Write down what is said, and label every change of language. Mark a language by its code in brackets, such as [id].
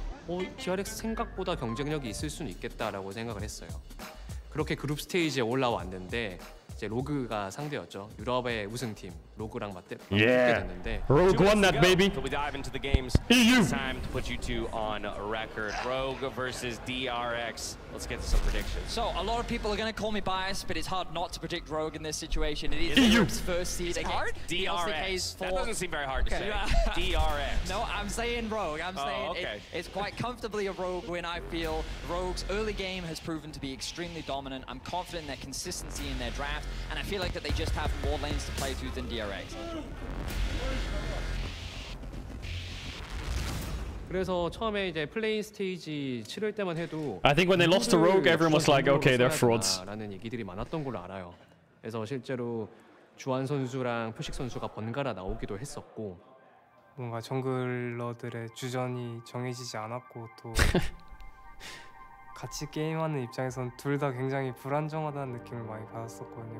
[ko] Oh, DRX 생각보다 경쟁력이 있을 수는 있겠다라고 생각을 했어요. 그렇게 그룹 스테이지에 올라왔는데 이제 로그가 상대였죠. 유럽의 우승팀 로그랑 맞붙게 됐는데 [en] Rogue won that baby. We dive into the games. EU. It's time to put you two on record. Rogue versus DRX. Let's get to some predictions. So, a lot of people are going to call me biased, but it's hard not to predict Rogue in this situation. It is the group's first seed. It's hard? DRX. That doesn't seem very hard to say. DRX. No, I'm saying Rogue. I'm saying it's quite comfortably a Rogue win, I feel. Rogue's early game has proven to be extremely dominant. I'm confident in their consistency in their draft, and I feel like that they just have more lanes to play through than DRX. [ko] 그래서 처음에 이제 플레인 스테이지 치를 때만 해도 [en] I think when they lost to Rogue, everyone was like, okay, they're frauds. [ko] 라는 얘기들이 많았던 걸로 알아요. 그래서 실제로 주한 선수랑 표식 선수가 번갈아 나오기도 했었고 뭔가 정글러들의 주전이 정해지지 않았고 또 같이 게임하는 입장에선 둘 다 굉장히 불안정하다는 느낌을 많이 받았었거든요.